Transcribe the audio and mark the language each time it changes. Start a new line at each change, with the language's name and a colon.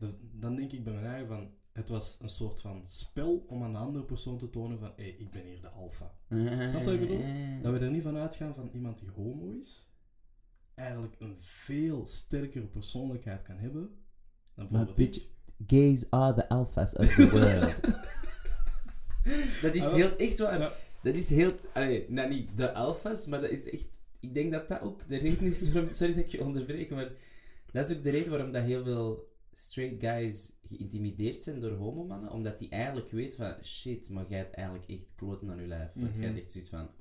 Dutch: Dan denk ik bij mijn eigen van... Het was een soort van spel om aan de andere persoon te tonen van... Hé, ik ben hier de alfa. Snap wat ik bedoel? Dat we er niet van uitgaan van iemand die homo is... Eigenlijk een veel sterkere persoonlijkheid kan hebben... Dan bijvoorbeeld
English: bitch, gays are the alphas of the world.
Dutch: Dat is heel echt waar. Ja. Dat is heel... niet de alphas, maar dat is echt... Ik denk dat dat ook de reden is waarom... Sorry dat ik je onderbreek, maar... Dat is ook de reden waarom dat heel veel
English: straight guys
Dutch: geïntimideerd zijn door homomannen. Omdat die eigenlijk weten van... Shit, maar jij hebt eigenlijk echt kloten aan je lijf. Want jij hebt echt zoiets van...